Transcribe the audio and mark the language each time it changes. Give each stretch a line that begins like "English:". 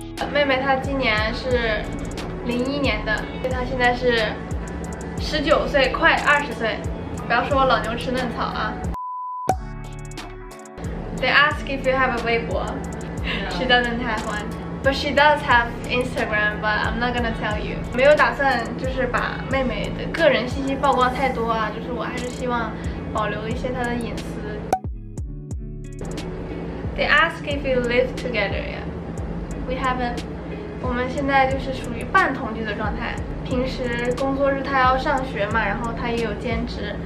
Chinese: 妹妹她今年是2001年的，所以她现在是19岁，快20岁。不要说我老牛吃嫩草啊。
English: They ask if you have a Weibo. No. She doesn't have one, but she does have Instagram. But I'm not gonna tell you.
Chinese: 没有打算就是把妹妹的个人信息曝光太多啊，就是我还是希望保留一些她的隐私。
English: They ask if you live together, yeah. We haven't.
Chinese: 我们现在就是属于半同居的状态。平时工作日他要上学嘛，然后他也有兼职。